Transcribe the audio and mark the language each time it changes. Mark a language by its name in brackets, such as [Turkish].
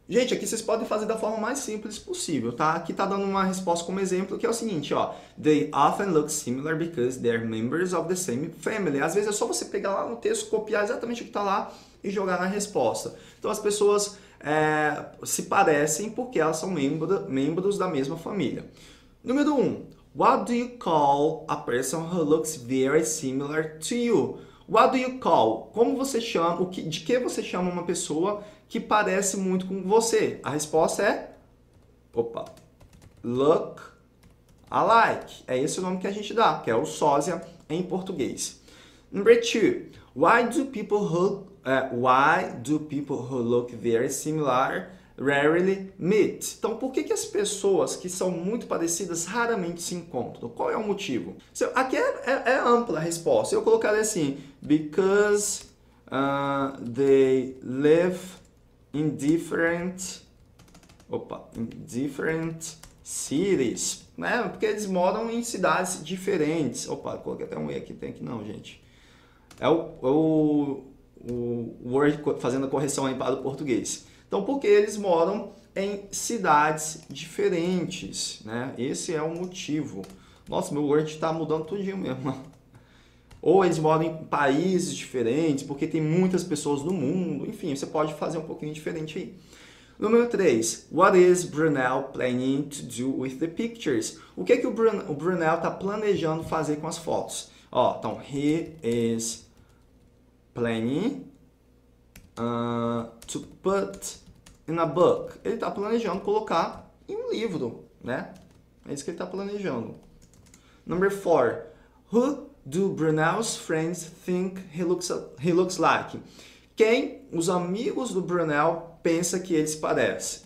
[Portuguese] Gente, aqui vocês podem fazer da forma mais simples possível, tá? Aqui está dando uma resposta como exemplo, que é o seguinte, ó, [English] they often look similar because they are members of the same family. [Portuguese] Às vezes é só você pegar lá no texto, copiar exatamente o que está lá e jogar na resposta. Então as pessoas se parecem porque elas são membros da mesma família. Número 1, [English] what do you call a person who looks very similar to you? What do you call? [Portuguese] Como você chama? De que você chama uma pessoa que parece muito com você? A resposta é, opa, look alike. É esse o nome que a gente dá, que é o sósia em português. [English] Number 2. Why do people who look very similar rarely meet? [Portuguese] Então, por que as pessoas que são muito parecidas raramente se encontram? Qual é o motivo? Aqui é ampla a resposta. Eu colocaria assim, [English] because they live in different cities. [Portuguese] Né? Porque eles moram em cidades diferentes. Opa, coloquei até um E aqui, tem aqui não, gente. É o Word fazendo a correção aí para o português. Então, porque eles moram em cidades diferentes, né? Esse é o motivo. Nossa, meu Word está mudando tudinho mesmo. Ou eles moram em países diferentes, porque tem muitas pessoas no mundo. Enfim, você pode fazer um pouquinho diferente aí. Número 3. [English] What is Brunel planning to do with the pictures? [Portuguese] O que é que o Brunel está planejando fazer com as fotos? Ó, então, [English] he is planning to put in a book. [Portuguese] Ele está planejando colocar em um livro, né? É isso que ele está planejando. [English] Number 4. Who do Brunel's friends think he looks like? [Portuguese] Quem os amigos do Brunel pensa que ele se parece?